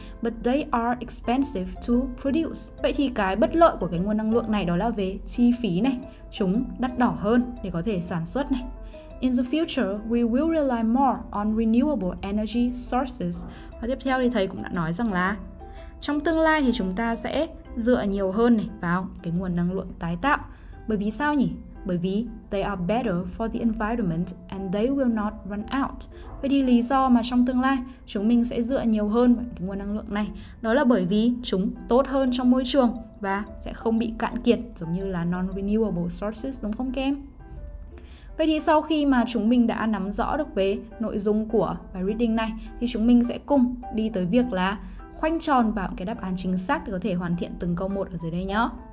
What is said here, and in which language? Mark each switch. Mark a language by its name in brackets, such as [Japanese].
[English] But they are expensive to produce. [Vietnamese] Vậy thì cái bất lợi của cái nguồn năng lượng này đó là về chi phí này, chúng đắt đỏ hơn để có thể sản xuất này. [English] In the future, we will rely more on renewable energy sources. [Vietnamese] Và tiếp theo thì thầy cũng đã nói rằng là trong tương lai thì chúng ta sẽ dựa nhiều hơn này vào cái nguồn năng lượng tái tạo. Bởi vì sao nhỉ? bởi vì [English] they are better for the environment and they will not run out. [Vietnamese] Vậy thì lý do mà trong tương lai chúng mình sẽ dựa nhiều hơn vào cái nguồn năng lượng này, đó là bởi vì chúng tốt hơn trong môi trường và sẽ không bị cạn kiệt giống như là non-renewable sources, đúng không kem? Vậy thì sau khi mà chúng mình đã nắm rõ được về nội dung của bài reading này thì chúng mình sẽ cùng đi tới việc là khoanh tròn vào cái đáp án chính xác để có thể hoàn thiện từng câu một ở dưới đây nhé.